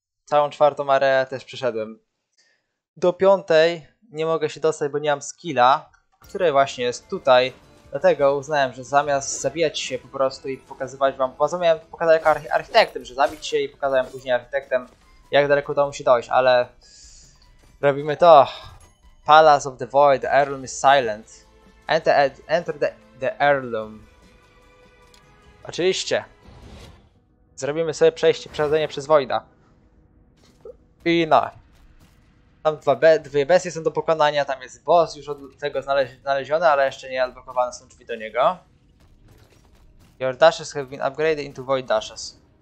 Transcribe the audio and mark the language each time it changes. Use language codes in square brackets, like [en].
[pl] Całą czwartą areę też przeszedłem. Do piątej nie mogę się dostać, bo nie mam skilla, który właśnie jest tutaj. Dlatego uznałem, że zamiast zabijać się po prostu i pokazywać wam, bo miałem to pokazać jako architektem, że zabić się i pokazałem później architektem, jak daleko do domu się dojść, ale robimy to. [en] Palace of the Void, the heirloom is silent. Enter the heirloom. [pl] Oczywiście. Zrobimy sobie przechodzenie przez Voida. I no. Tam dwie bestie są do pokonania, tam jest boss już od tego znaleziony, ale jeszcze nie odblokowane są drzwi do niego. [en] Your dashes have been upgraded into Void dashes.